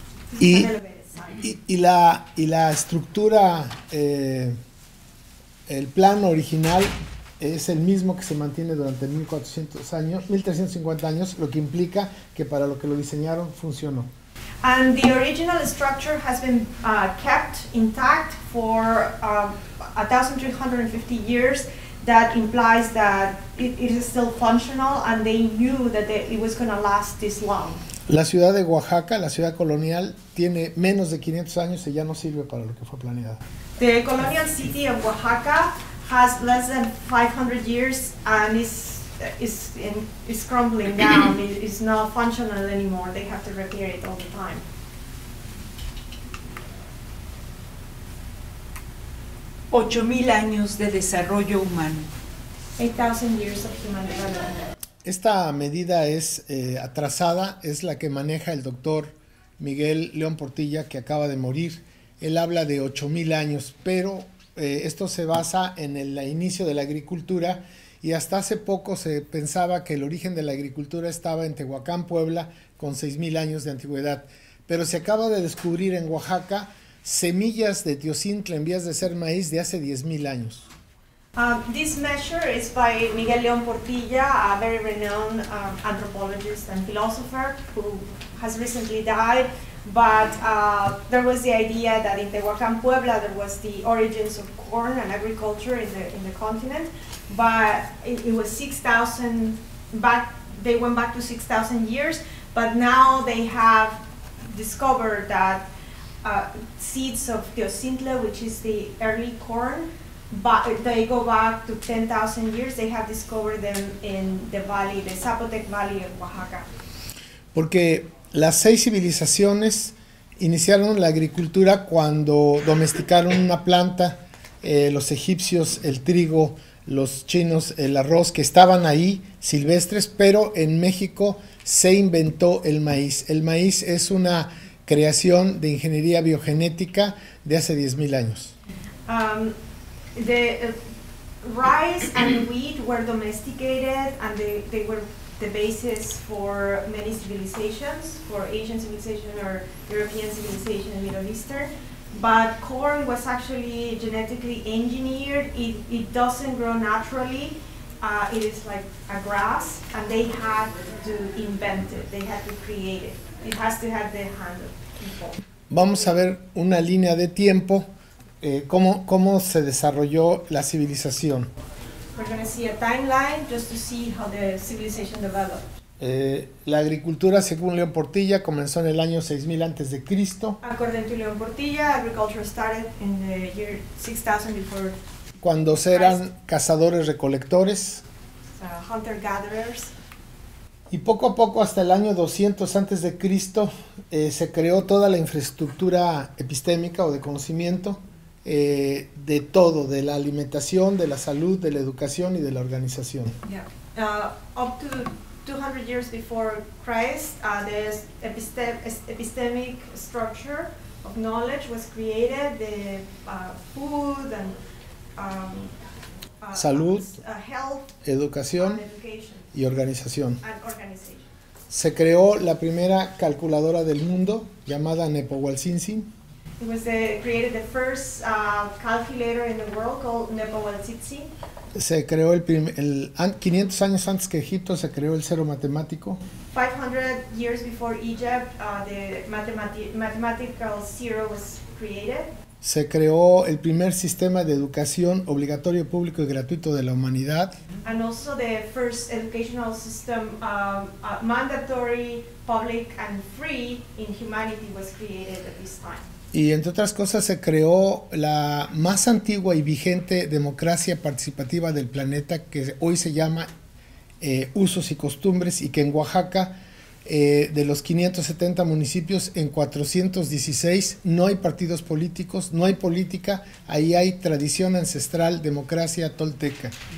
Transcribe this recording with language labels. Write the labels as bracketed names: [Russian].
[Spanish] Y la estructura, el plano original es el mismo que se mantiene durante 1400 años, 1350 años, lo que implica que para lo que lo diseñaron funcionó. [English] And the original structure has been kept intact for 1350 years. That implies that it is still functional, and they knew that it was going to last this long. [Spanish] La ciudad de Oaxaca, la ciudad colonial, tiene menos de 500 años y ya no sirve para lo que fue planeada. [English] The colonial city of Oaxaca has less than 500 years and is crumbling down. It's not functional anymore. They have to repair it all the time. [Spanish] Ocho mil años de desarrollo humano. [English] 8,000 years of human development. [Spanish] Esta medida es atrasada, es la que maneja el doctor Miguel León Portilla, que acaba de morir. Él habla de 8,000 años, pero esto se basa en el inicio de la agricultura, y hasta hace poco se pensaba que el origen de la agricultura estaba en Tehuacán, Puebla, con 6,000 años de antigüedad. Pero se acaba de descubrir en Oaxaca semillas de teosintle en vías de ser maíz de hace 10,000 años. [English] This measure is by Miguel León Portilla, a very renowned anthropologist and philosopher who has recently died. But there was the idea that in Tehuacán, Puebla, there was the origins of corn and agriculture in the continent. But it was 6,000, but they went back to 6,000 years. But now they have discovered that seeds of teosintle, which is the early corn, but they go back to 10,000 years. They have discovered them in the valley, the Zapotec Valley of Oaxaca. [Spanish] Porque las seis civilizaciones iniciaron la agricultura cuando domesticaron una planta, los egipcios el trigo, los chinos el arroz, que estaban ahí silvestres, pero en México se inventó el maíz. El maíz es una creación de ingeniería biogenética de hace 10,000 años. [English] The rice and wheat were domesticated, and they were the basis for many civilizations, for Asian civilization or European civilization and Middle Eastern. But corn was actually genetically engineered. It doesn't grow naturally. It is like a grass, and they had to invent it. They had to create it. It has to have the hand of people. [Spanish] Vamos a ver una línea de tiempo. ¿Cómo se desarrolló la civilización? [English] We're going to see a timeline just to see how the civilization developed. [Spanish] La agricultura, según León Portilla, comenzó en el año 6,000 antes de Cristo. [English] According to León Portilla, agriculture started in the year 6,000 before Christ. [Spanish] Cuando eran cazadores recolectores. [English] Hunter gatherers. [Spanish] Y poco a poco, hasta el año 200 antes de Cristo, se creó toda la infraestructura epistémica o de conocimiento. De todo, de la alimentación, de la salud, de la educación y de la organización. [English] Yeah. Up to 200 years before Christ, the epistemic structure of knowledge was created, the food and [Spanish] salud, [English] health, [Spanish] educación [English] and education [Spanish] y organización. [English] And organization. [Spanish] Se creó la primera calculadora del mundo llamada Nepowalsinsin. [English] It was created the first calculator in the world called Nepowalsinsin. [Spanish] Se creó el 500 años antes que Egipto se creó el cero matemático. [English] 500 years before Egypt, the mathematical zero was created. [Spanish] Se creó el primer sistema de educación obligatorio, público y gratuito de la humanidad. [English] And also the first educational system, mandatory, public and free in humanity was created at this time. [Spanish] Y entre otras cosas se creó la más antigua y vigente democracia participativa del planeta, que hoy se llama Usos y Costumbres, y que en Oaxaca De los 570 municipios, en 416 no hay partidos políticos, no hay política, ahí hay tradición ancestral, democracia tolteca.